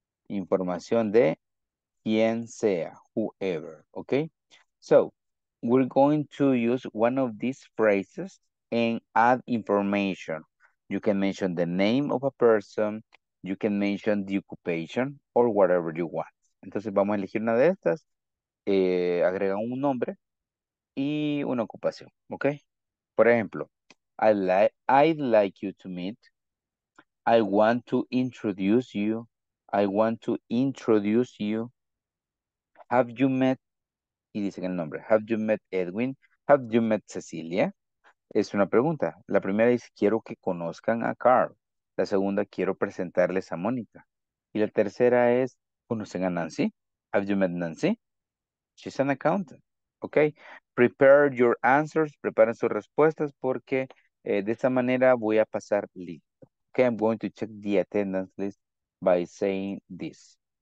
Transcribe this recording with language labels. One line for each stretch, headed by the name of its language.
Spanish: Información de quien sea, whoever.
English: Okay, so we're going to use one of these phrases and add information. You can mention the name of a person, You can mention the occupation or whatever you want.
Spanish: Entonces vamos a elegir una de estas, agrega un nombre y una ocupación, ¿ok? Por ejemplo,
English: I'd like you to meet. I want to introduce you. I want to introduce you. Have you met?
Spanish: Y dicen el nombre.
English: Have you met Edwin? Have you met Cecilia?
Spanish: Es una pregunta. La primera dice, quiero que conozcan a Carl. La segunda, quiero presentarles a Mónica. Y la tercera es, ¿conocen a Nancy?
English: Have you met Nancy? She's an accountant.
Spanish: Ok.
English: Prepare your answers.
Spanish: Preparen sus respuestas porque de esta manera voy a pasar listo.
English: Ok. I'm going to check the attendance list by saying this.